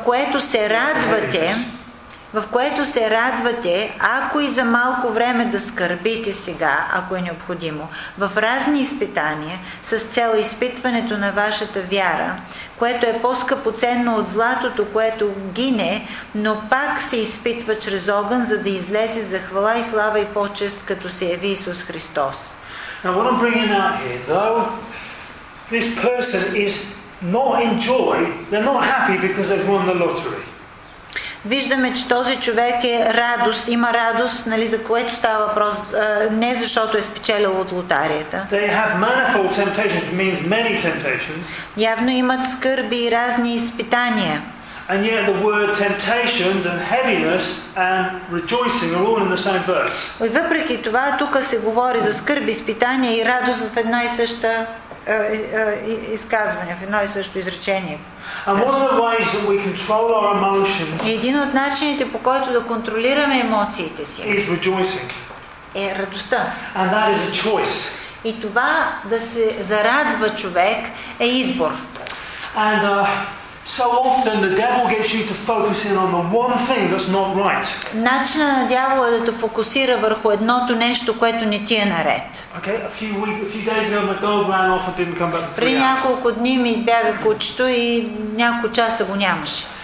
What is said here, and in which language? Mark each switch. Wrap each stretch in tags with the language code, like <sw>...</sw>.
<bg>което се радвате, в което се радвате, ако и за малко време да скърбите сега, ако е необходимо, в разни изпитания, с цел изпитването на вашата вяра, което е по-скъпоценно от златото, което гине, но пак се изпитва чрез огън, за да излезе за хвала и слава и почест, като се яви Исус Христос.</bg> <en>Now what I'm bringing out here, though, this person is not in joy, they're not happy because they've won the lottery.</en> <bg>Виждаме, че този човек е радост, има радост, нали, за което става въпрос, не защото е спечелил от лотарията.</bg> <en>They have manifold temptations, which means many temptations.</en> <bg>Явно имат скърби и разни изпитания.</bg> <en>And yet the word temptations and heaviness and rejoicing are all in the same verse.</en> <bg>Въпреки това, тук се говори за скърби, изпитания и радост в една и съща изказвания, в едно и също изречение.</bg> <en>And one of the ways that we control our emotions.</en> <bg>Един от начините, по който да контролираме емоциите си,</bg> <en>is rejoicing.</en> <bg>Е радостта.</bg> <en>And that is a choice.</en> <bg>И това да се зарадва човек е избор.</bg> <en>And so often the devil gets you to focus in on the one thing that's not right.</en> <bg>Начинът на дявола е да те фокусира върху едното нещо, което не ти е наред.</bg> <en>Okay, a few days ago my dog ran off and didn't come back.</en> <bg>При няколко дни ми избяга кучето и няколко часа го нямаше.</bg>